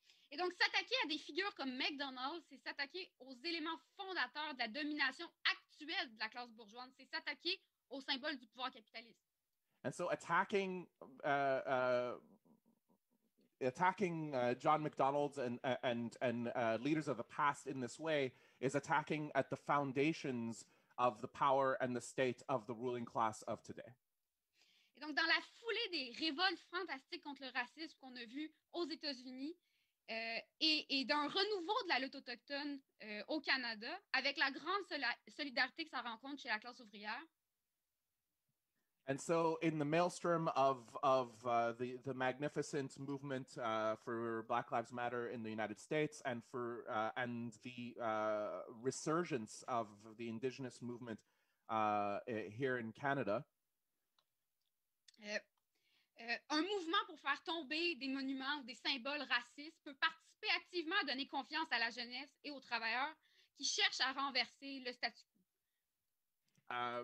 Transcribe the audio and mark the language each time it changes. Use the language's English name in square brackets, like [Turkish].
[French] Et donc, s'attaquer à des figures comme McDonald's, c'est s'attaquer aux éléments fondateurs de la domination actuelle de la classe bourgeoise. C'est s'attaquer aux symboles du pouvoir capitaliste. [English] And so attacking John McDonald's and leaders of the past in this way is attacking at the foundations of the power and the state of the ruling class of today. [French] Et donc, dans la foulée des révoltes fantastiques contre le racisme qu'on a vu aux États-Unis et d'un renouveau de la lutte autochtone au Canada, avec la grande solidarité que ça rencontre chez la classe ouvrière. [English] And so, in the maelstrom of the magnificent movement for Black Lives Matter in the United States, and for and the resurgence of the Indigenous movement here in Canada, [French] un mouvement pour faire tomber des monuments ou des symboles racistes peut participer activement à donner confiance à la jeunesse et aux travailleurs qui cherchent à renverser le statu quo.